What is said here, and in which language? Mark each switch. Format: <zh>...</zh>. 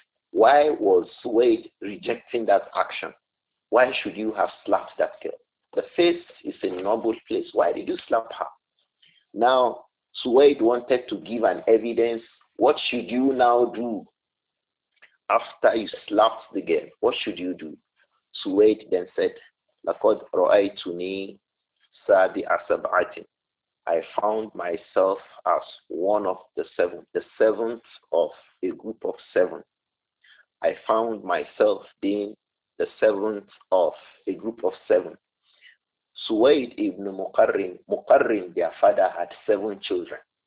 <en>Why was Suwayd rejecting that action? Why should you have slapped that girl? The face is a noble place. Why did you slap her? Now Suwayd wanted to give an evidence. What should you now do after you slapped the girl? What should you do? Suwayd then said,</en> <ar>لَقَدْ رَأَيْتُنِي سَابِعَ سَبْعَةٍ.</ar> <en>I found myself as one of the seven, the seventh of a group of seven. I found myself being the seventh of a group of seven. Suwayd ibn Muqarrin, their father, had seven children.</en>